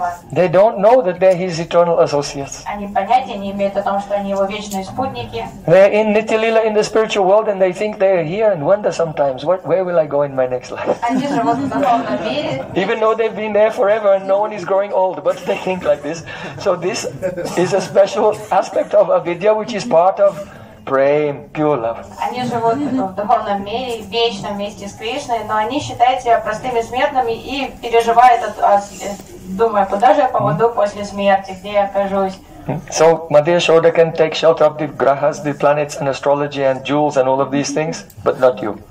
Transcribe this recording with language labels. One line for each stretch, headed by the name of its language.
English: They don't know that they are his eternal associates. They are in Nitya Lila in the spiritual world and they think they are here and wonder sometimes, where will I go in my next life? Even though they've been there forever and no one is growing old, but they think like this. So this is a special aspect of avidya which is part of prem, pure love.
Russian: Они живут в духовном мире, вечно вместе с Кришной, но они считают себя простыми смертными и переживают, думая, куда же я попаду после смерти, где я окажусь.
English: So Mother Yashoda can take shelter of the grahas, the planets and astrology and jewels and all of these things, but not you.